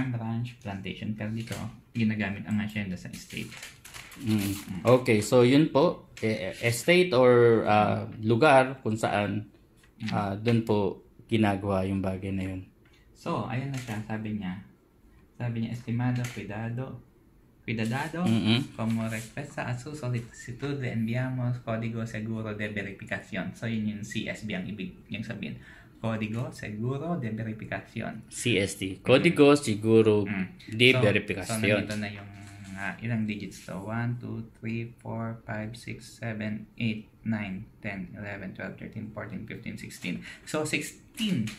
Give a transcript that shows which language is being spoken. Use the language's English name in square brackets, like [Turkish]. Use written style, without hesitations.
[English] Farm, ranch, plantation. [Filipino] Pero dito, ginagamit ang Hacienda sa estate. Okay, so yun po, estate or lugar kung saan doon po ginagawa yung bagay na yun. So, ayun na siya, sabi niya. Sabi niya, [Spanish] estimado, cuidado. Cuidadado, como respuesta a su solicitud, le enviamos código seguro de verificación. [Filipino] So, yun yung CSB ang ibig niyang sabihin. [Spanish] Código seguro de verificación. CST. Código seguro de verificación. [Filipino] So, nandito na yung ilang digits to? [English] 1, 2, 3, 4, 5, 6, 7, 8, 9, 10, 11, 12, 13, 14, 15, 16. So, 16.